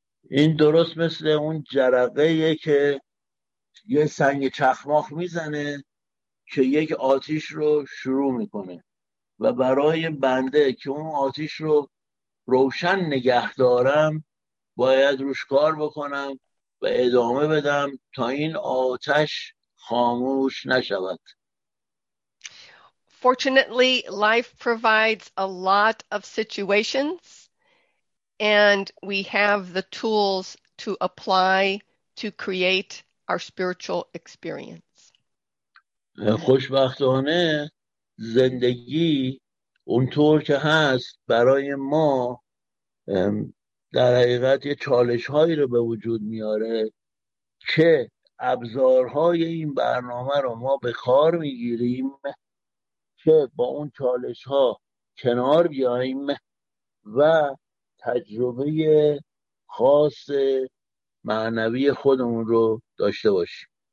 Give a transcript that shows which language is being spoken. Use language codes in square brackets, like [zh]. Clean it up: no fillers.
[fa] این درست مثل اون جرقه یه که یه سنگ چخماق میزنه که یک آتیش رو شروع میکنه و برای بنده که اون آتیش رو روشن نگه دارم باید روش کار بکنم و ادامه بدم تا این آتش خاموش نشود. [en] Fortunately, life provides a lot of situations and we have the tools to apply to create our spiritual experience. [fa] خوشبختانه زندگی اونطور که هست برای ما در حقیقت یه چالش هایی رو به وجود میاره که ابزارهای این برنامه رو ما به کار میگیریم که با اون چالش ها کنار بیاییم و تجربه خاص معنوی خودمون رو داشته باشیم.